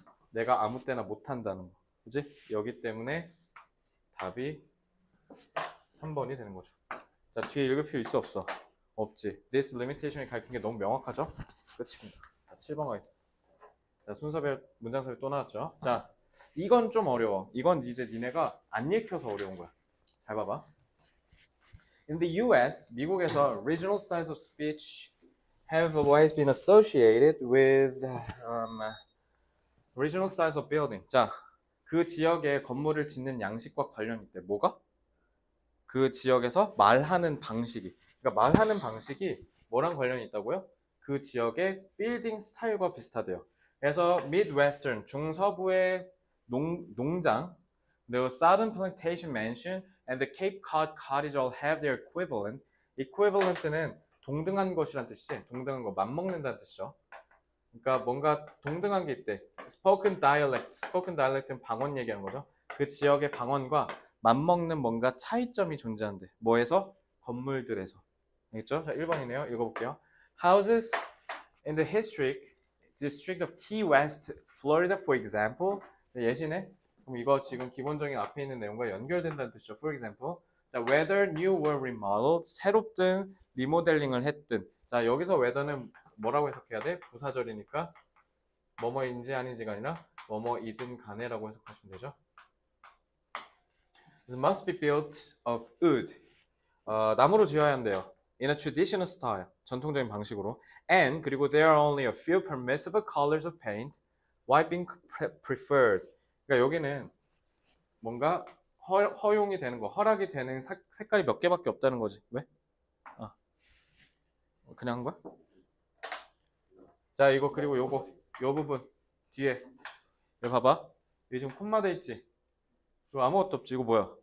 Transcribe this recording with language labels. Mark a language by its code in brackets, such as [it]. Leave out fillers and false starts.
[ko] 내가 아무 때나 못한다는 거. 그지? 여기 때문에 답이 3번이 되는 거죠. 자, 뒤에 읽을 필요 있어 없어? 없지. [en] This limitation [ko] 이 가리킨 게 너무 명확하죠? 끝입니다. 자, 7번 가겠습니다. 자, 순서별 문장서별 또 나왔죠? 자, 이건 좀 어려워. 이건 이제 니네가 안 읽혀서 어려운 거야. 잘 봐봐. [en] In the US, [ko] 미국에서 [en] regional styles of speech have always been associated with regional styles of building. [ko] 자, 그 지역의 건물을 짓는 양식과 관련이 있대. 뭐가? 그 지역에서 말하는 방식이. 그러니까 말하는 방식이 뭐랑 관련이 있다고요? 그 지역의 빌딩 스타일과 비슷하대요. [en] 그래서 Midwestern, [ko] 중서부의 농장, 그리고 [en] Southern Plantation Mansion, and the Cape Cod Cottage all have their equivalent. [ko] Equivalent는 동등한 것이란 뜻이지. 동등한 거, 맞먹는다는 뜻이죠. 그러니까 뭔가 동등한 게 있대. [en] Spoken dialect [ko] 은 방언 얘기하는 거죠. 그 지역의 방언과 맞먹는 뭔가 차이점이 존재한대. 뭐에서? 건물들에서. 알겠죠? 자, 1번이네요. 읽어볼게요. [en] Houses in the district of Key West, Florida, for example. [ko] 예시네. 그럼 이거 지금 기본적인 앞에 있는 내용과 연결된다는 뜻이죠. [en] For example. 자, whether new or remodeled, [ko] 새롭든 리모델링을 했든. 자, 여기서 whether는 뭐라고 해석해야 돼? 부사절이니까 뭐뭐인지 아닌지가 아니라 뭐뭐이든 간에라고 해석하시면 되죠. [en] It must be built of wood. [ko] 나무로 지어야 한대요. [en] In a traditional style. [ko] 전통적인 방식으로. [en] And 그리고 there are only a few permissible colors of paint. White being preferred. [ko] 그러니까 여기는 뭔가 허용이 되는 거, 허락이 되는 색깔이 몇 개밖에 없다는 거지. 왜? 그냥 한 거야? 자, 이거 그리고 요거, 요 부분 뒤에 여기 봐봐. 여기 지금 콤마 돼 있지? 이거 아무것도 없지? 이거 뭐야?